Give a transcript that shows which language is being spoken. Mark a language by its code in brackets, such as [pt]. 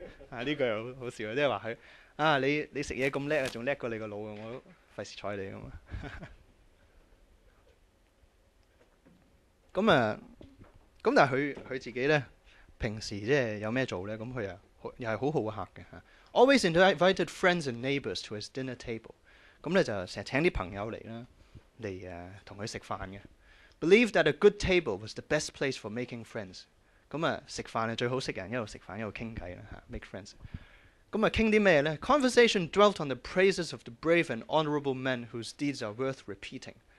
[yue] 呢 句好笑，即係話佢啊，你食嘢咁叻啊，仲叻過你個腦，我費事睬你咁啊。咁 啊，咁但係佢自己咧，平時即係有咩做咧？咁佢啊。又係好好客嘅嚇， [en] always invited friends and neighbors to his dinner table。 [yue] 咁咧就成日請啲朋友嚟啦，嚟同佢食飯嘅。 [en] Believe that a good table was the best place for making friends。 [yue] 咁啊食飯啊最好識人，一路食飯一路傾偈啦嚇， [en] make friends。 [yue] 咁啊傾啲咩咧？ [en] Conversation dwelt on the praises of the brave and honourable men whose deeds are worth repeating。